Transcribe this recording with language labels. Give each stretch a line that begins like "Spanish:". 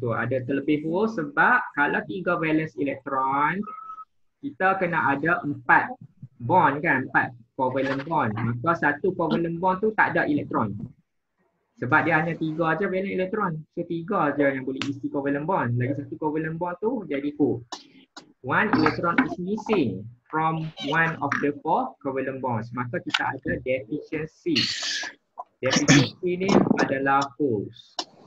Malay: So ada terlebih host sebab kalau 3 valence elektron, kita kena ada 4 bond kan, 4 covalent bond. Maka satu covalent bond tu tak ada elektron. Sebab dia hanya 3 aja valent elektron. So 3 aja yang boleh isi covalent bond. Lagi satu covalent bond tu jadi 4.
English: One electron is missing from one of the 4 covalent bonds.
Malay: Maka kita ada deficiency. Deficiency ni adalah host.